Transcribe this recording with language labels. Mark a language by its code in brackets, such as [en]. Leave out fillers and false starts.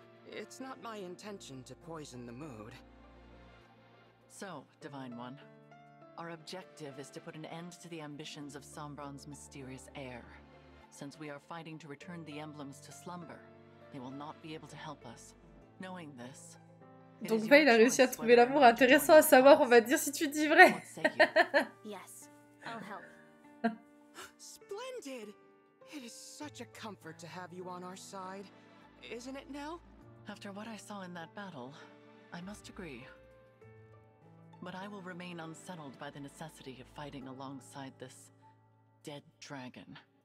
[en] It's not my intention to poison the mood. So, Divine One, our objective is to put an end to the ambitions of Sombron's mysterious heir. Since we are fighting to return the emblems to slumber, they will not be able to help us. Knowing this, [fr] donc Vey, il a réussi à trouver l'amour intéressant à savoir, on va dire si tu dis vrai. [en] Yes, I'll help. Splendid. It is such a comfort to have you on our side, isn't it, Nell? After what I saw in that battle, I must agree. But I will remain unsettled by the necessity of fighting alongside this dead dragon.